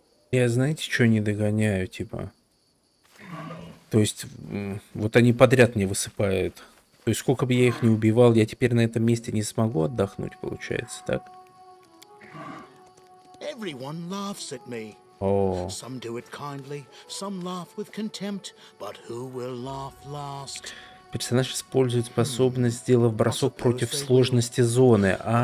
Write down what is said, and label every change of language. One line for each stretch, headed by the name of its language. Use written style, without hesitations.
Russian: Я, знаете, что не догоняю, типа? То есть, вот они подряд не высыпают. То есть, сколько бы я их не убивал, я теперь на этом месте не смогу отдохнуть, получается, так?
English: Everyone laughs at me. Oh. Some do it kindly, some laugh with contempt, but who will laugh last?
Russian: Персонаж использует способность, сделав бросок против сложности зоны.